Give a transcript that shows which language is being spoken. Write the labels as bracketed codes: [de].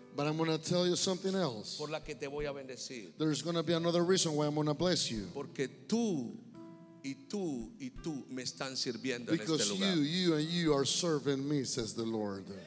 [en] But I'm going to tell you something else. [es] Por la que te voy a bendecir. [en] There's going to be another reason why I'm going to bless you. [es] Porque tú y tú y tú me están sirviendo [en] because [es] en este lugar. [en] Because you and you are serving me, says the Lord.